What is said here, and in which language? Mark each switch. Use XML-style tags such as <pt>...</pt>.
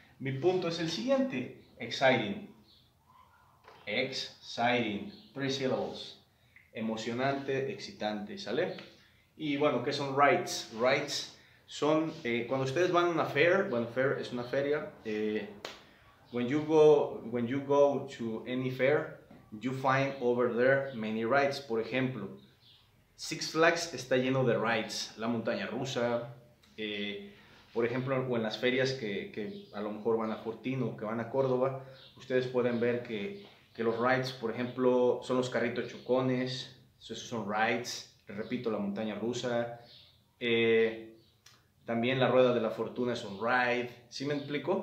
<es>Mi punto es el siguiente:</es> <en>exciting. Exciting. Three syllables.</en> <es>Emocionante, excitante, ¿sale? Y bueno, ¿qué son rides? Rides son cuando ustedes van a una fair, bueno, fair es una feria.</es> <en>When you go to any fair, you find over there many rides.</en> <es>Por ejemplo, Six Flags está lleno de rides, la montaña rusa. Por ejemplo, o en las ferias que a lo mejor van a Fortín o que van a Córdoba, ustedes pueden ver que los rides, por ejemplo, son los carritos chocones, esos son rides, repito, la montaña rusa, también la rueda de la fortuna es un ride, ¿sí me explico?</es>